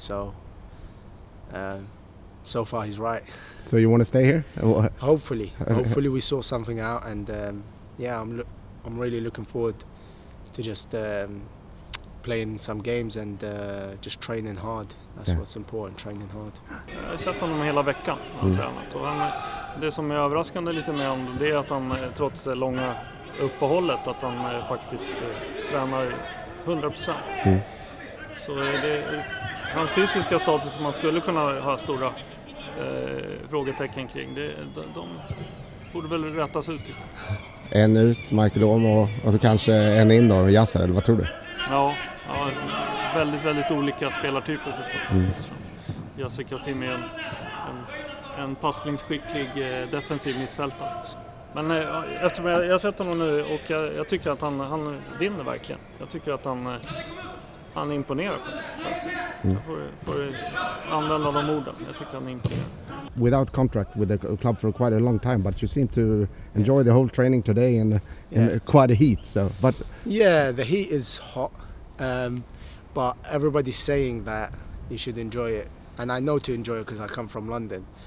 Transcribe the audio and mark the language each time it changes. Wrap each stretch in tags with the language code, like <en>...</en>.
<en>So far he's right. So you want to stay here? Hopefully. Hopefully we sort something out. And I'm really looking forward to just playing some games and just training hard. That's what's important, training hard.</en> <sv>Jag har sett honom hela veckan när han tränat. Och det som är överraskande lite med honom, det är att han trots det långa uppehållet, att han faktiskt tränar 100%. Mm. Så hans fysiska status som man skulle kunna ha stora frågetecken kring, de borde väl rättas ut. Typ. En ut, Michael Dom och så kanske en in då, Yasser, eller vad tror du? Ja, väldigt, väldigt olika spelartyper förstås. Mm. Yasser Kassim är en passningsskicklig defensiv mittfältare. Men eftersom jag har sett honom nu och jag tycker att han vinner verkligen. Jag tycker att han imponerar faktiskt. Mm. Jag får använda de orden. Jag tycker att han imponerar.</sv> <en>Without contract with the club for quite a long time, but you seem to enjoy the whole training today in quite a heat. So, but yeah, the heat is hot, but everybody's saying that you should enjoy it, and I know to enjoy it because I come from London.</en>